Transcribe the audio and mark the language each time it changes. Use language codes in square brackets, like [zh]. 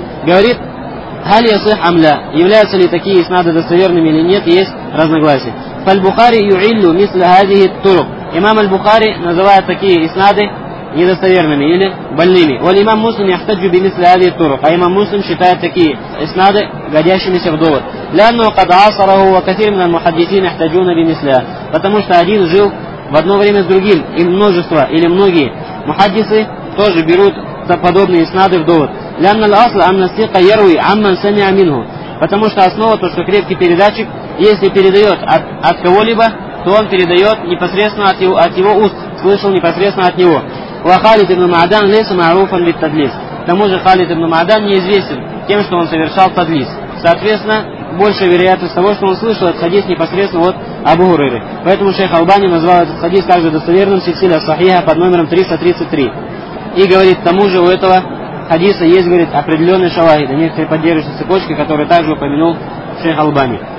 [ru] Говорит, «Хали ясых амля», являются ли такие иснады достоверными или нет, есть разногласие. «Фальбухари юиллю мисля азихи турук». Имам Аль-Бухари называет такие иснады недостоверными или больными. «Валь имам муслим яхтаджу би мисля азихи турук». А имам муслим считает такие иснады годящимися в довод. [ar] لأنه قد عاصره وكثير من المحدثين يحتجون بمثله. [ru] Потому что один жил в одно время с другим, и множество или многие мухаддисы тоже берут подобные иснады в довод. [ar] لأن الأصل أن الثقة يروي عمن سمع منه. [ru] Потому что основа то, что крепкий передатчик, если передает от кого-либо, то он передает непосредственно от его уст, слышал непосредственно от него. [ar] وخالد بن معدان ليس معروفا بالتدليس. [ru] К тому же Халид ибн Маадан неизвестен тем, что он совершал тадлис. Соответственно, большая вероятность того, что он слышал этот хадис непосредственно от Абу Хурейры. Поэтому шейх Албани назвал этот хадис также достоверным сильсиля сахиха под номером 333. И говорит, к тому же у этого хадиса есть, говорит, определенные шавахиды, некоторые поддерживающие цепочки, которые также упомянул шейх Албани.